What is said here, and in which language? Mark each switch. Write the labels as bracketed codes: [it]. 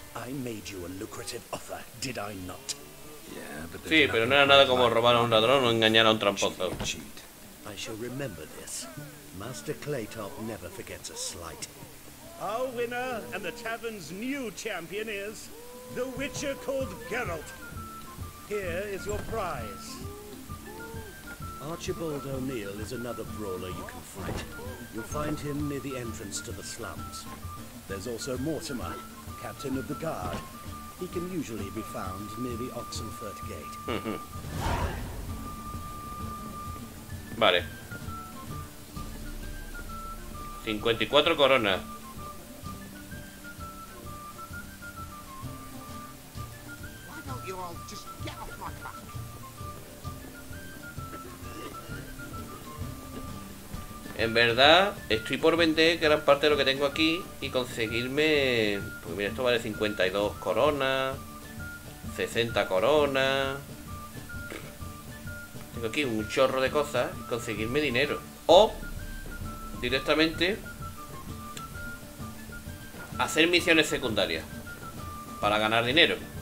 [en] I made you a lucrative offer, did I not? [es] Sí, pero no era nada como robar a un ladrón o engañar a un tramposo. [en] I shall remember this. Master Claytop never forgets a slight. Our winner and the tavern's new champion is the Witcher called Geralt. Here is your prize. Archibald O'Neill is another brawler you can fight. You'll find him near the entrance to the slums. There's also Mortimer, captain of the guard. He can usually be found near the Oxenfurt Gate. [es] Vale. 54 coronas. [en] Why don't you all just get off my back? [es] En verdad, estoy por vender gran parte de lo que tengo aquí y conseguirme... Porque mira, esto vale 52 coronas, 60 coronas... Tengo aquí un chorro de cosas y conseguirme dinero. O, directamente, hacer misiones secundarias para ganar dinero.